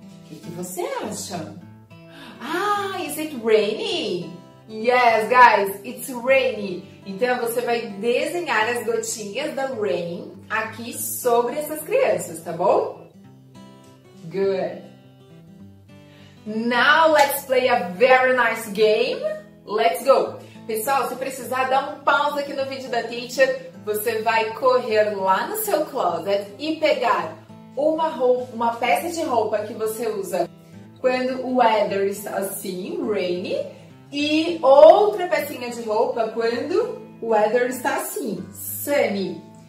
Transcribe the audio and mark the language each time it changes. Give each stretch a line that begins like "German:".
Portuguese: O que você acha? Ah,
English: is it rainy? Yes, guys, it's rainy.
Portuguese: Então você vai desenhar as gotinhas da rain aqui sobre essas crianças, tá bom?
English: Good. Now let's play a very nice game. Let's go.
Portuguese: Pessoal, se precisar dar um pause aqui no vídeo da teacher, você vai correr lá no seu closet e pegar uma peça de roupa que você usa quando o weather está assim, rainy, e outra pecinha de roupa quando o weather está assim, sunny.